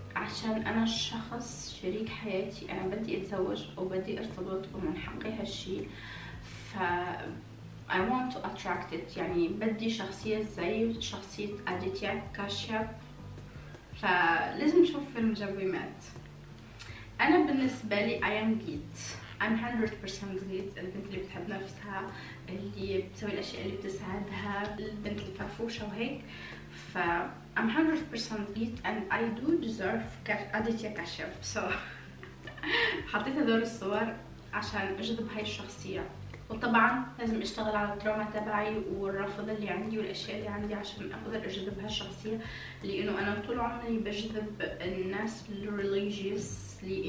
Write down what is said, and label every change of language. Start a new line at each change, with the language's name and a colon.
Arabic: عشان انا الشخص شريك حياتي، انا بدي اتزوج وبدي ارتبط ومن حقي هالشيء. ف
English: I want to attract it،
Arabic: يعني بدي شخصية زي شخصية أديتيا كاشياب، فلازم نشوف فيلم جنبي مات. أنا بالنسبة لي
English: I am beat، I'm 100% beat.
Arabic: البنت اللي بتحب نفسها، اللي بتسوي الأشياء اللي بتساعدها، البنت اللي فرفوشة وهيك، ف
English: I'm 100% beat and I do deserve
Arabic: أديتيا كاشياب. So حطيت هذول الصور عشان أجذب هاي الشخصية، وطبعا لازم اشتغل على التروما تبعي والرفض اللي عندي والاشياء اللي عندي عشان اقدر اجذب هالشخصيه، لانه انا طول عمري بجذب الناس الريليجيوس،